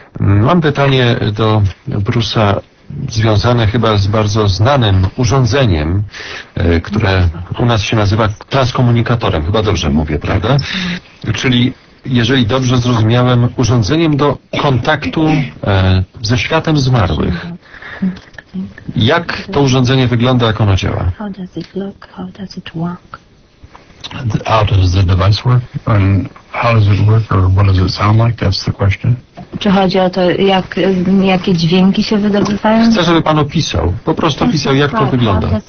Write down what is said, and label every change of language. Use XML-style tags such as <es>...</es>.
<pl>Mam pytanie do Bruce'a związane chyba z bardzo znanym urządzeniem, które u nas się nazywa transkomunikatorem. Chyba dobrze mówię, prawda? Czyli, jeżeli dobrze zrozumiałem, urządzeniem do kontaktu ze światem zmarłych. Jak to urządzenie wygląda, jak ono działa?</pl> <en>How does the device work? And how does it work? Or what does it sound like? That's the question.</en> <pl>Czy chodzi o to, jakie dźwięki się wydobywają? Chcę, żeby pan opisał. Po prostu opisał, jak to wygląda.</pl>